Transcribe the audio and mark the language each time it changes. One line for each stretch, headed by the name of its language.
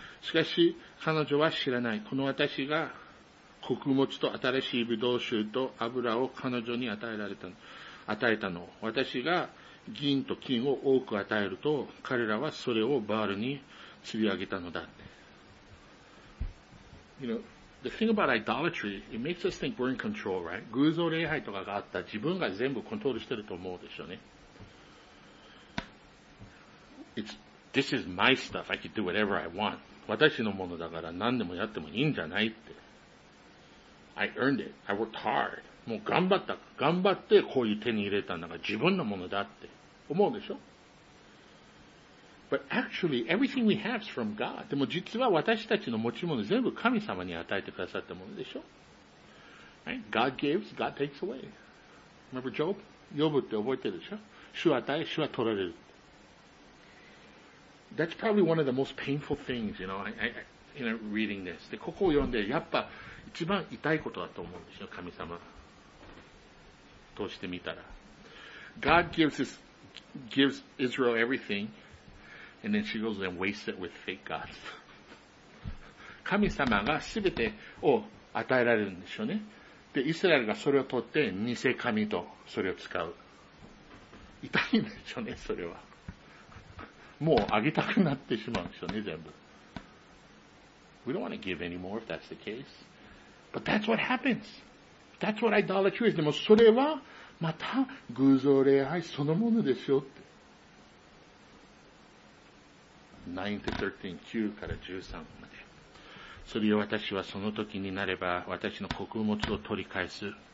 Japanese: しかし、彼女は知らない。この私が、穀物と新しいブドウ酒と油を彼女に与えられたの。与えたの。私が、銀と金を多く与えると、彼らはそれをバールに積み上げたのだ。
English: You know, the thing about idolatry, it makes us think we're in control, right?
Japanese: 偶像礼拝とかがあった自分が全部コントロールしてると思うでしょうね。
English: This is my stuff. I can do whatever I want.
Japanese: 私のものだから何でもやってもいいんじゃないって。
English: I earned it. I worked hard.
Japanese: もう頑張った。頑張ってこういう手に入れたんだから自分のものだって思うでしょ。
English: But actually, everything we have is from God.
Japanese: でも実は私たちの持ち物全部神様に与えてくださったものでしょ。
English: Right? God gives, God takes away. Remember Job?
Japanese: ヨブって覚えてるでしょ。主与え、主は取られる。
English: That's probably one of the most painful things, you know, I reading this.
Japanese: で、ここを読んで、やっぱ一番痛いことだと思うんですよ、神様。通してみたら。
English: God gives Israel everything, and then she goes and wastes it with fake gods.
Japanese: 神様が全てを与えられるんでしょうね。で、イスラエルがそれを取って、偽神とそれを使う。痛いんでしょうね、それは。もうあげたくなってしまうんでしょうね、全部。
English: We don't want to give anymore if that's the case. But that's what happens. That's what idolatry is.
Japanese: でもそれはまた偶像礼拝そのものでしょって。 9から13まで。それを私はその時になれば私の穀物を取り返す。